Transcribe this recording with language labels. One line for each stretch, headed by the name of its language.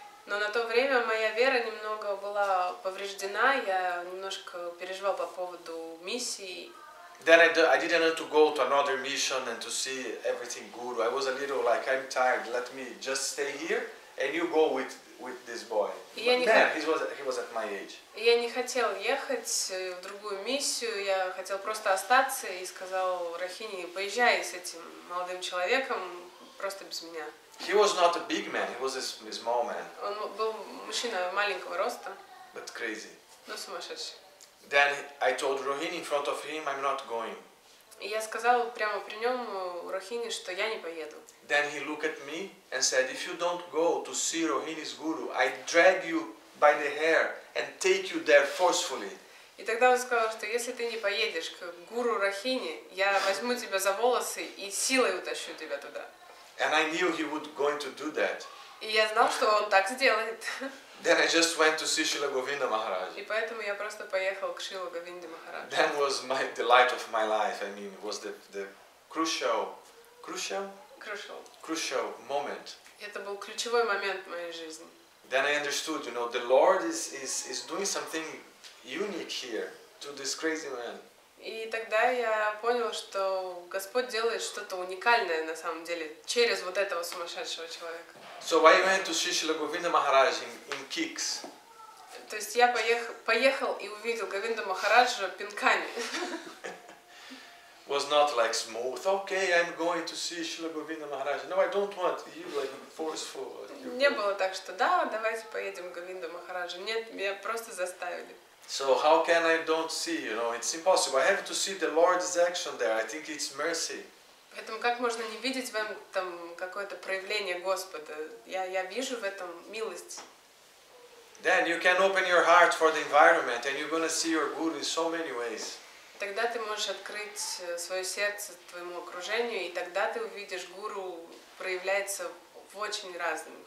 Russian: Но на то время моя вера немного была повреждена, я немножко переживал по поводу миссии.
English: Then I didn't want to go to another mission and to see everything guru. I was a little like, I'm tired, let me just stay here and you go with this boy. He was at my age.
Russian: Я не хотел ехать в другую миссию, я хотел просто остаться и сказал Рахини, поезжай с этим молодым человеком, просто без меня.
English: He was not a big man, he was a small man.
Russian: Он был мужчина маленького роста.
English: But crazy.
Russian: Но сумасшедший.
English: Then I told Rohini in front of him, I'm not going.
Russian: Я сказал прямо при нем Рохини, что я не поеду.
English: Then he looked at me and said, if you don't go to see Rohini's guru, I drag you by the hair and take you there forcefully.
Russian: И тогда он сказал, что если ты не поедешь к гуру Рохини, я возьму тебя за волосы и силой утащу тебя туда.
English: And I knew he would going to do that.
Russian: И я знал, что он так сделает.
English: Then I just went to see Шрила Говинда Махарадж.
Russian: И поэтому я просто поехал к Шрила Говинде Махараджу.
English: That was my the light of my life. I mean, it was the crucial moment.
Russian: Это был ключевой момент в моей жизни.
English: Then I understood, you know, the Lord is doing something unique here to this crazy man.
Russian: И тогда я понял, что Господь делает что-то уникальное на самом деле через вот этого сумасшедшего человека.
English: So I went to see Шрила Говинда Махарадж in kicks.
Russian: То есть я поехал и увидел Говинда Махараджа пинками.
English: Was not like smooth. Okay, I'm going to see Шрила Говинда Махарадж. No, I don't want you like forceful.
Russian: Не было так, что да, давайте поедем к Говинда Махараджу. Нет, меня просто заставили.
English: So how can I don't see? You know, it's impossible. I have to see the Lord's action there. I think it's mercy.
Russian: Поэтому как можно не видеть в этом там какое-то проявление Господа? Я вижу в этом милость. Then you can open your heart for the environment, and you're gonna see your guru in so many ways. Тогда ты можешь открыть свое сердце твоему окружению, и тогда ты увидишь гуру проявляется в очень разных.